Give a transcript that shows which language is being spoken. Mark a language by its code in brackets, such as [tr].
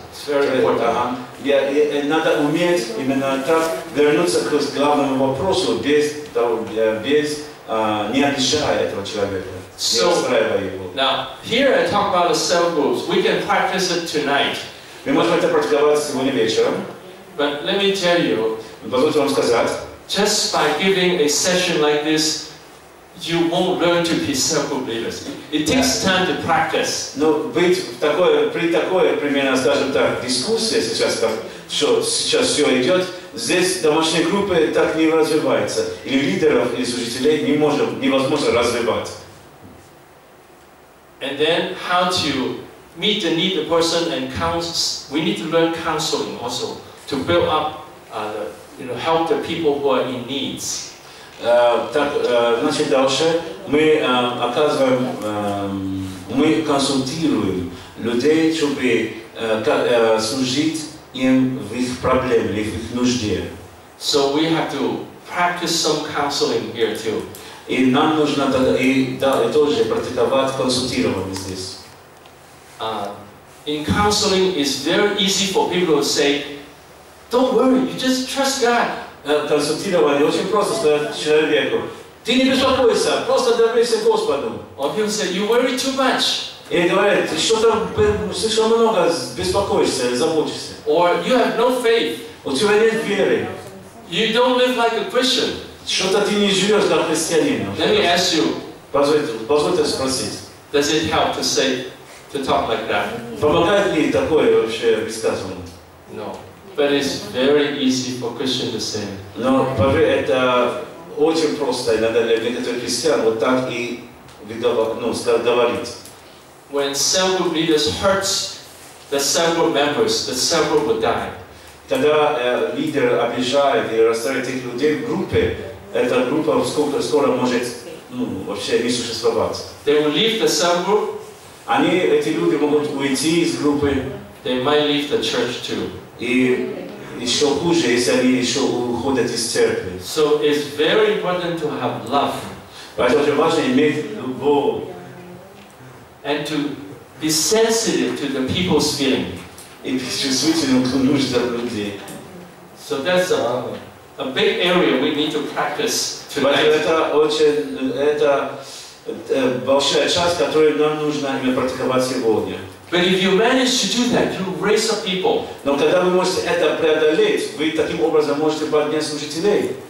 [en] It's very important. [ru] Надо уметь именно так вернуться к главному вопросу, без не обижая этого человека. [en] So now here I talk about the cell groups. We can practice it tonight. [ru] Мы можем это практиковать сегодня вечером. [en] But let me tell you. [ru] Позвольте вам сказать. [en] Just by giving a session like this, you won't learn to be cell group leaders. It takes time to practice. [ru] Но быть такое при такой примерно скажем так дискуссии сейчас как что сейчас все идет. Здесь домашние группы так не развиваются. И лидеров, и служителей не можем, невозможно развивать. [en] And then how to meet the need of the person and counsel. We need to learn counseling also to build up, help the people who are in needs. [ru] Значит, дальше мы оказываем, мы консультируем людей, чтобы служить им в их проблеме или в их нужде. [en] So we have to practice some counseling here too. [ru] И нам нужно и тоже практиковать консультирование здесь. [en] In counseling, it's very easy for people to say, "Don't worry, you just trust God." [ru] Консультирование очень просто сказать человеку: "Ты не беспокойся, просто доверься Господу." [en] Or people say, "You worry too much." [ru] И говорят, что-то слишком много беспокоишься, заботишься. [en] Or you have no faith. [ru] У тебя нет веры. [en] You don't live like a Christian. [ru] Что-то ты не живешь как христианин. [en] Let me ask you. [ru] Позвольте спросить. [en] Does it help to say, to talk like that? [ru] Помогает ли такое вообще высказывание? [en] No. But it's very easy for Christians to say. [ru] Но поверь, это очень просто иногда для некоторых христиан вот так и говорить. [en] When cell group leaders hurt the cell group members, the cell group will die. [ru] Когда лидер обижает и расстраивает этих людей в группе, эта группа скоро может вообще не существовать. [en] They will leave the cell group. [ru] Они, эти люди могут уйти из группы. [en] They might leave the church too. [ru] И еще хуже, если они еще уходят из церкви. [en] So it's very important to have love. [ru] Поэтому очень важно иметь любовь. [en] And to be sensitive to the people's feeling. [ru] И быть чувствительным к нуждам людей. [en] So that's a big area we need to practice tonight. [ru] Это большая часть, которую нам нужно именно практиковать сегодня. [en] But if you manage to do that, you raise up people. [ru] Но когда вы можете это преодолеть, вы таким образом можете поднять служителей.